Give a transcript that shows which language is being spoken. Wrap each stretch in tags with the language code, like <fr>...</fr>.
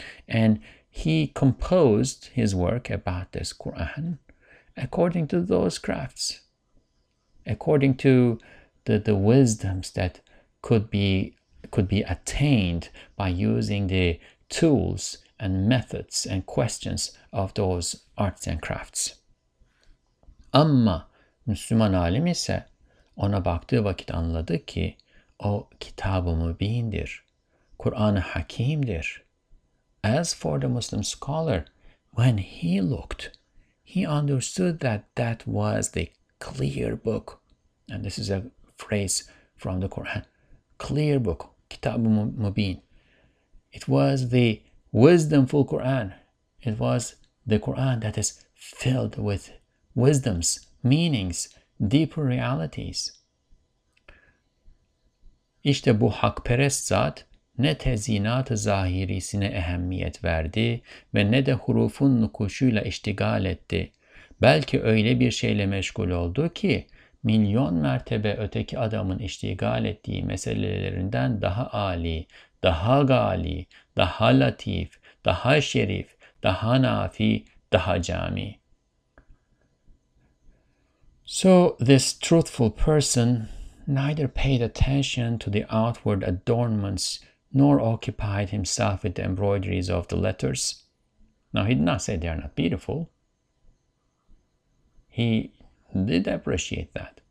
<en>And he composed his work about this Quran according to those crafts, according to the wisdoms that could be attained by using the tools and methods and questions of those arts and crafts.</en> <tr>Amma Müslüman alim ise ona baktığı vakit anladı ki o kitab-ı mübindir, Kur'an-ı Hakim'dir.</tr> <en>As for the Muslim scholar, when he looked, he understood that was the clear book. And this is a phrase from the Quran. Clear book, kitab-ı mübin. It was the wisdomful Quran. It was the Quran that is filled with wisdoms, meanings, deeper realities.</en> <tr>İşte bu hakperest zat ne tezyinat-ı zahirisine ehemmiyet verdi ve ne de hurufun nukuşuyla iştigal etti. Belki öyle bir şeyle meşgul oldu ki milyon mertebe öteki adamın iştigal ettiği meselelerinden daha âli, daha gali, daha latif, daha şerif, daha nafi, daha cami.</tr> <en>So this truthful person neither paid attention to the outward adornments nor occupied himself with the embroideries of the letters. Now, he did not say they are not beautiful. He did appreciate that.</en>